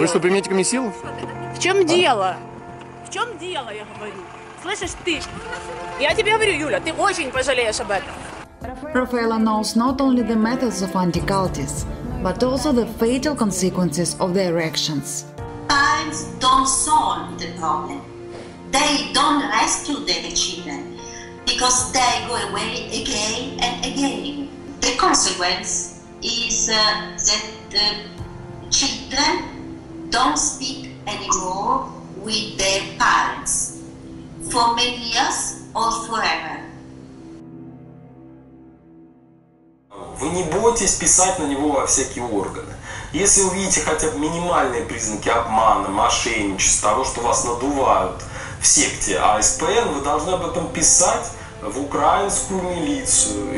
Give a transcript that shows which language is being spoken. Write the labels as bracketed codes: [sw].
[ru] Вы что, применяете ко мне силу? В чем дело? В чем дело, я говорю? Слышишь, ты? Я тебе говорю, Юля, ты очень пожалеешь об этом. [en] Рафаэла knows not only the methods of anti-cultists, but also the fatal consequences of their actions. Times don't solve the problem. They don't rescue their children because they go away again and again. The consequence is that the children don't speak anymore with their parents for many years or forever. [ru] Вы не бойтесь писать на него во всякие органы. Если увидите хотя бы минимальные признаки обмана, мошенничества, того, что вас надувают в секте АСПН, вы должны об этом писать в украинскую милицию.